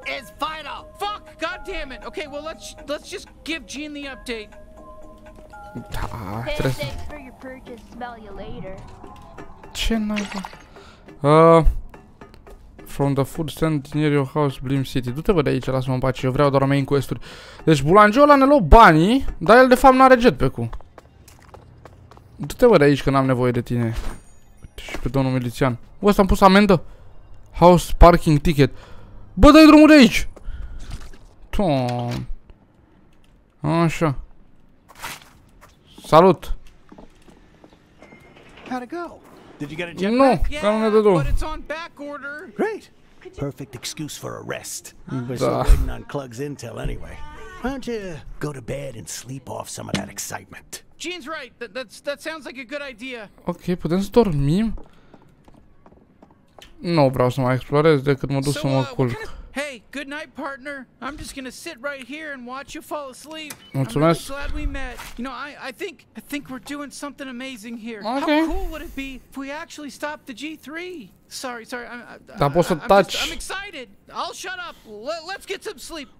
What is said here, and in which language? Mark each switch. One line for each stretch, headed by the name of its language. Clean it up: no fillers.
English: is final. Fuck, goddamn it. Okay, well let's just give Gene the update.
Romanian: Da, trebuie.
English: Thanks for your purchase. Smell you later.
Romanian: Ce naiba?
English: From the food stand near your house, Blim City.
Romanian: Du-te bă de aici, lasă-mă în pace. Eu vreau doar main quest-uri. Deci bulangiul ăla ne luă banii, dar el de fapt n-are jetpack-ul. Du-te bă de aici că n-am nevoie de tine. Uite și pe domnul milițian. Bă, ăsta am pus amendă.
English: House parking ticket.
Romanian: Bă, dai drumul de aici. Tom. Așa. Salut.
English: How'd it go? Did you get a jetpack?
Romanian: Nu, că nu ne dă drum.
English: But it's on back order. Great. Perfect excuse for a rest. We're still waiting on Clug's intel anyway. Why don't you go to bed and sleep off some of that excitement? Gene's right. That sounds like a good idea.
Romanian: Okay, putem să dormim? Nu vreau să mai explorez decât mă duc să mă culc.
English: Hey, good night, partner. I'm just gonna sit right here and watch you fall asleep.
Romanian: Mulțumesc.
English: I'm really glad we met. You know, I think we're doing something amazing here. Okay. How cool would it be if we actually stopped the G3? Sorry. I'm excited. I'll shut up. Let's get some sleep.